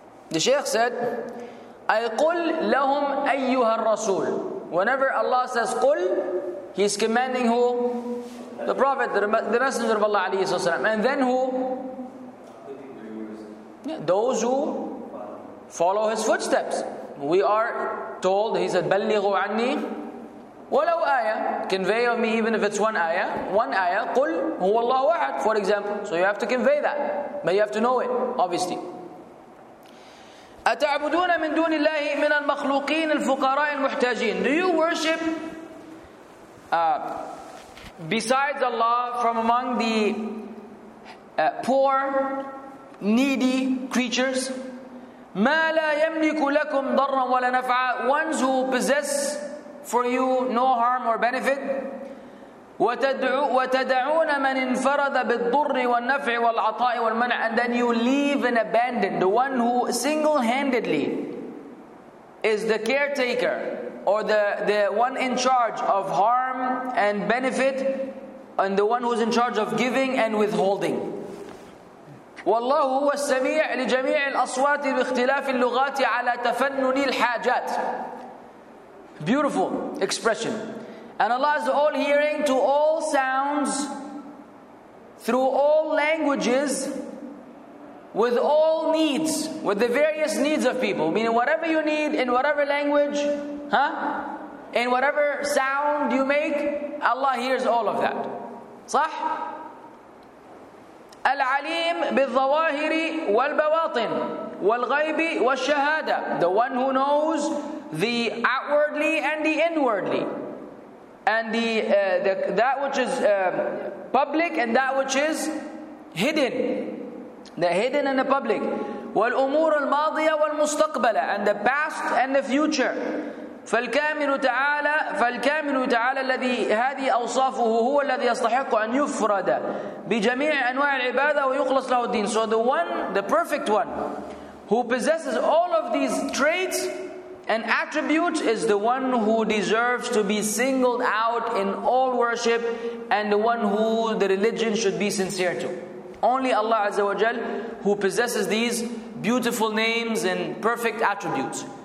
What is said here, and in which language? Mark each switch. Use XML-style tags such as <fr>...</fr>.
<en>The Shaykh said,</en> <ar>أَيْقُلْ لَهُمْ أَيُّهَا الرَّسُولُ.</ar> <en>Whenever Allah says قُلْ, He's commanding who? The Prophet, the Messenger of Allah</en> <ar>عليه الصلاة والسلام.</ar> <en>And then who? Those who follow His footsteps. We are told, He said,</en> <ar>بَلِّغُوا عَنِّي وَلَوْ آيَةٌ.</ar> <en>Convey of me, even if it's one ayah. One ayah,</en> <ar>قُلْ هُوَ اللَّهُ أَحَدٌ,</ar> <en>for example. So you have to convey that. But you have to know it, obviously.</en> <ar>أتعبدون من دون الله من المخلوقين الفقراء المحتاجين.</ar> <en>Do you worship besides Allah from among the poor, needy creatures?</en> <ar>ما لا يملك لكم ضرا ولا نفعا.</ar> <en>Ones who possess for you no harm or benefit.</en> <ar>وتدعون من انفرد بالضر والنفع والعطاء والمنع.</ar> <en>And then you leave and abandon the one who single-handedly is the caretaker or the one in charge of harm and benefit, and the one who's in charge of giving and withholding.</en> <ar>والله هو السميع لجميع الأصوات باختلاف اللغات على تفنن الحاجات.</ar> <en>Beautiful expression. And Allah is all hearing to all sounds through all languages with all needs, with the various needs of people. Meaning whatever you need in whatever language, huh? In whatever sound you make, Allah hears all of that.</en> <ar>صح؟ العليم بالظواهر والبواطن والغيب والشهادة.</ar> <en>The one who knows the outwardly and the inwardly. And the that which is public and that which is hidden, the hidden and the public.</en> <ar>والأمور الماضية والمستقبلة,</ar> <en>and the past and the future.</en> <ar>فالكامل تعالى الذي هذه أوصافه هو الذي يستحق أن يفرد بجميع أنواع العبادة ويخلص له الدين.</ar> <en>So the one, the perfect one, who possesses all of these traits an attribute, is the one who deserves to be singled out in all worship, and the one who the religion should be sincere to. Only Allah Azza wa Jal, who possesses these beautiful names and perfect attributes.</en>